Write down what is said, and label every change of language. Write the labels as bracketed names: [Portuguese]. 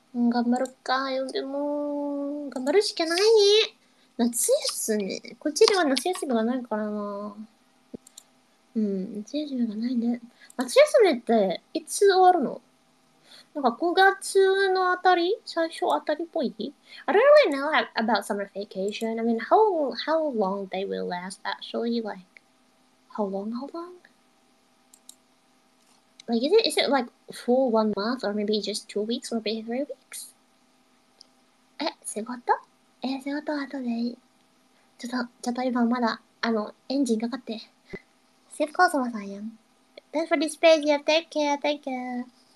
[Japanese] 頑張るか。呼んでも、頑張るしかない。夏休み。こっちでは夏休みがないからな。うん、夏休みがないね。夏休みって、いつ終わるの？なんか5月のあたり、最初あたりっぽい。 [English] I don't really know about summer vacation. I mean, how long they will last, actually? Like, how long? Like, is it like full 1 month, or maybe just 2 weeks, or maybe 3 weeks? [Japanese] え、仕事？え、仕事後でいい。ちょっと今まだ、エンジンかかって。シフコーソマさんやん。 [English] Thanks for this page, yeah, thank you.